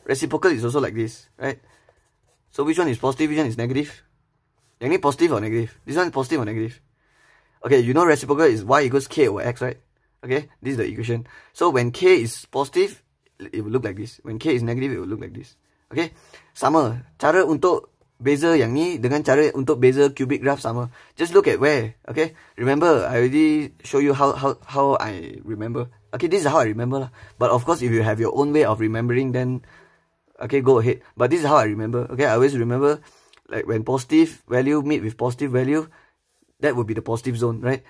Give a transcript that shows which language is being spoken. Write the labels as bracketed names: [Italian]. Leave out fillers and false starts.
[English] Reciprocal is also like this, right? So which one is positive, which one is negative? [Malay] Yang ni [English] positive or negative? This one is positive or negative? Okay, you know reciprocal is y equals k over x, right? Okay, this is the equation. So when k is positive, it will look like this. When k is negative, it will look like this. [Malay] Okay, sama. Cara untuk beza yang ni dengan cara untuk beza cubic graph sama. [English] Just look at where, okay? Remember, I already show you how I remember. Okay, this is how I remember lah. But of course, if you have your own way of remembering, then, okay, go ahead. But this is how I remember, okay? I always remember, like, when positive value meet with positive value, that would be the positive zone, right?